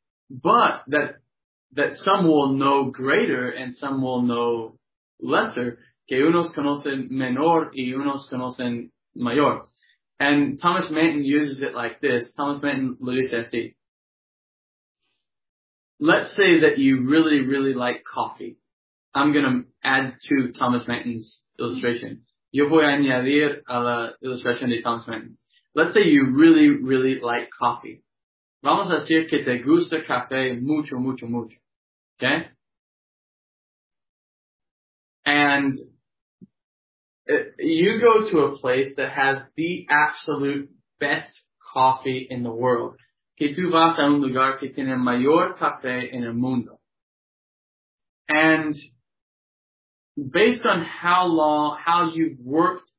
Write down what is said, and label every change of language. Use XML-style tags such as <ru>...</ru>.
<en>But that some will know greater and some will know lesser.</en> <es>Que unos conocen menor y unos conocen mayor.</es> <en>And Thomas Manton uses it like this.</en> <es>Thomas Manton lo dice así.</es> <en>Let's say that you really, really like coffee. I'm going to add to Thomas Manton's illustration.</en> <es>Yo voy a añadir a la ilustración de Thomas Manton.</es> <en>Let's say you really, really like coffee.</en> <es>Vamos a decir que te gusta café mucho, mucho, mucho.</es> <en>Okay? And you go to a place that has the absolute best coffee in the world.</en> <es>Que tú vas a un lugar que tiene el mayor café en el mundo.</es> <en>And based on how long, how you've worked</en>